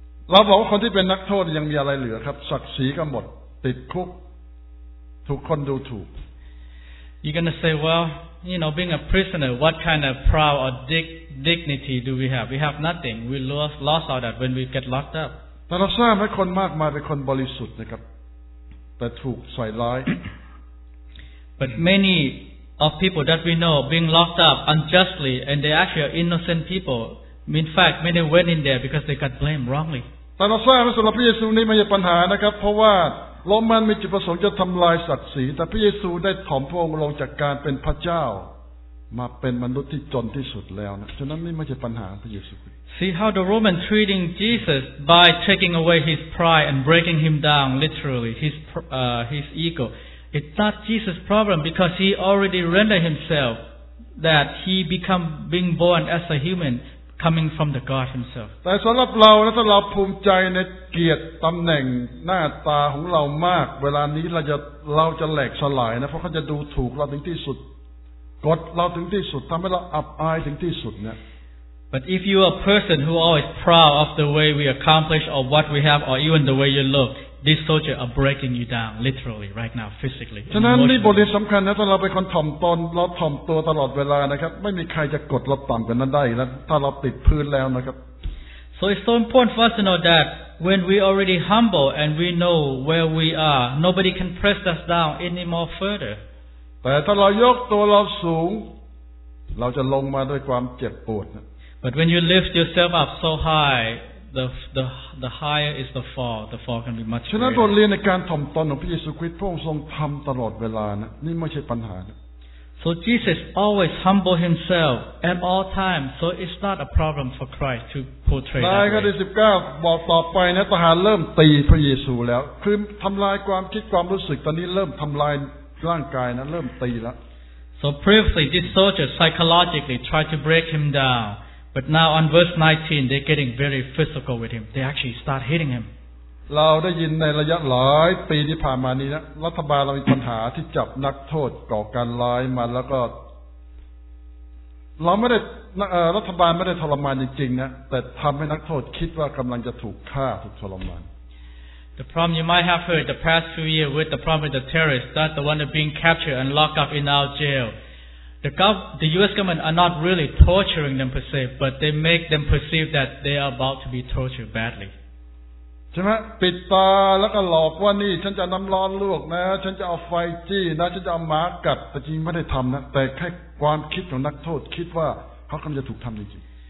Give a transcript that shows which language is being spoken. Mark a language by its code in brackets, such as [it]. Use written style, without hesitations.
[th] เราบอกว่าคนที่เป็นนักโทษยังมีอะไรเหลือครับศักดิ์ศรีก็หมดติดคุกถูกคนดูถูก [en] You're gonna say well you know being a prisoner what kind of pride or dignity do we have nothing we lost all that when we get locked up [th] แต่เราทราบให้คนมากมายเป็นคนบริสุทธิ์นะครับแต่ถูกใส่ร้าย [en] But many of people that we know being locked up unjustly and they actually are innocent peopleIn fact, many went in there because they got blamed wrongly. [th] แต่เราทราบว่าสำหรับพระเยซูนี้ไม่ใช่ปัญหานะครับเพราะว่าโรมันมีจุดประสงค์จะทำลายศักดิ์ศรีแต่พระเยซูได้ถ่อมพระองค์ลงจากการเป็นพระเจ้ามาเป็นมนุษย์ที่จนที่สุดแล้วนะฉะนั้นนี่ไม่ใช่ปัญหาพระเยซู [en] See how the Roman treating Jesus by taking away his pride and breaking him down literally his ego. It's not Jesus' problem because he already rendered himself that he become being born as a human. Coming from the God Himself. [th] แต่สำหรับเราถ้าเราภูมิใจในเกียรติตำแหน่งหน้าตาของเรามากเวลานี้เราจะแหลกสลายนะเพราะเขาจะดูถูกเราถึงที่สุดกดเราถึงที่สุดทำให้เราอับอายถึงที่สุดเนี่ย [en] But if you are a person who always proud of the way we accomplish or what we have or even the way you look, these soldiers are breaking you down literally right now, physically. [th] ฉะนั้นนี่บทเรียนสำคัญนะถ้าเราเป็นคนถ่อมตนเราถ่อมตัวตลอดเวลานะครับไม่มีใครจะกดเราต่ำกว่านั้นได้แล้วถ้าเราติดพื้นแล้วนะครับ [en] So it's so important for us to know that when we already humble and we know where we are, nobody can press us down any more further. [th] แต่ถ้าเรายกตัวเราสูงเราจะลงมาด้วยความเจ็บปวด [en] But when you lift yourself up so high, the higher is the fall. The fall can be much greater. [th] ฉะนั้นบทเรียนในการถ่อมตนของพระเยซูคริสต์พระองค์ทรงทำตลอดเวลานะนี่ไม่ใช่ปัญหา [en] So Jesus always humbled himself at all times, so it's not a problem for Christ to portray that. [th] ในข้อที่19บอกต่อไปนะทหารเริ่มตีพระเยซูแล้วคือทำลายความคิดความรู้สึกตอนนี้เริ่มทำลายร่างกายนะเริ่มตีแล้ว [en] So previously, these soldiers psychologically tried to break him down. But now on verse 19, they're getting very physical with him. They actually start hitting him. [th] เราได้ยินในระยะหลายปีที่ผ่านมานี้นะรัฐบาลเรามีปัญหาที่จับนักโทษก่อการร้ายมาแล้วก็เราไม่ได้รัฐบาลไม่ได้ทรมานจริงๆนะแต่ทำให้นักโทษคิดว่ากำลังจะถูกฆ่าถูกทรมาน [en] The problem you might have heard the past few years with the problem with the terrorists, that the one that being captured and locked up in our jail. The U.S. government are not really torturing them per se, but they make them perceive that they are about to be tortured badly. [th] ใช่ไหมปิดตาแล้วก็หลอกว่านี่ฉันจะน้ำร้อนลวกนะฉันจะเอาไฟจี้นะฉันจะเอาหมากัดแต่จริงไม่ได้ทำนะแต่แค่ความคิดของนักโทษคิดว่าเขากำลังจะถูกทำจริง